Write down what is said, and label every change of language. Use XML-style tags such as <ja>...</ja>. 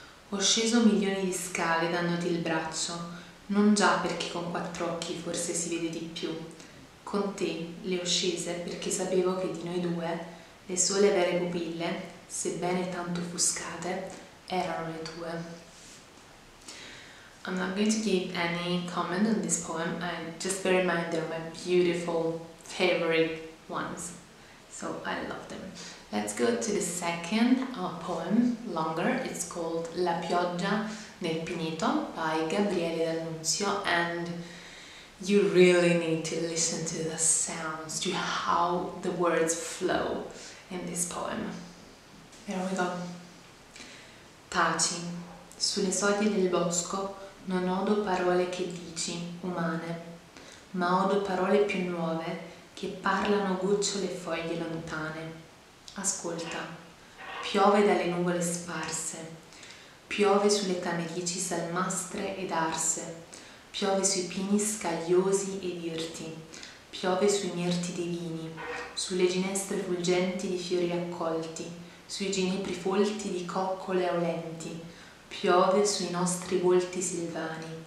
<it>Ho sceso milioni di scale dandoti il braccio. Non già perché con quattro occhi forse si vede di più. Con te le ho scese perché sapevo che di noi due le sole vere pupille, sebbene tanto offuscate, erano le tue.</it> <en>I'm not going to give any comment on this poem. I just bear in mind they're my beautiful favorite ones. So I love them. Let's go to the second poem, longer. It's called La pioggia nel pineto by Gabriele D'Annunzio, and you really need to listen to the sounds, to how the words flow in this poem. Here we go.</en> <it>Taci, sulle soglie del bosco non odo parole che dici, umane, ma odo parole più nuove che parlano gocciole e foglie lontane. Ascolta, piove dalle nuvole sparse, piove sulle tamerici salmastre ed arse, piove sui pini scagliosi ed irti, piove sui mirti divini, sulle ginestre fulgenti di fiori accolti, sui ginepri folti di coccole aulenti, piove sui nostri volti silvani,</it>